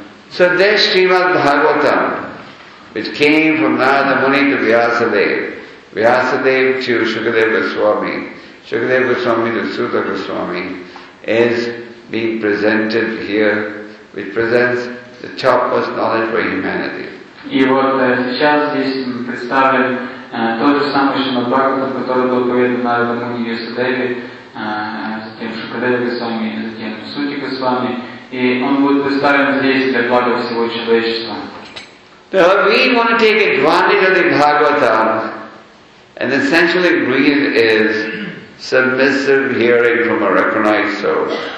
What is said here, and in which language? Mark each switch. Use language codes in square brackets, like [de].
[en] So there's Srimad Bhagavatam, which came from Narada Muni to Vyasadeva, Vyasadeva to Shukadeva Goswami, Shukadeva Goswami to Sutta Goswami, is being presented here, which presents the topmost knowledge for humanity. [ru] И вот сейчас здесь представлен тот же самый Шримад Бхагаватам, который был поведен Нарада Муни и Вьясадеве, затем Шукадева Госвами, затем Сути Госвами, и он будет представлен здесь для блага всего человечества. [en] Now, if we want to take advantage of the Bhagavatam, an essential ingredient is submissive hearing from a recognized soul.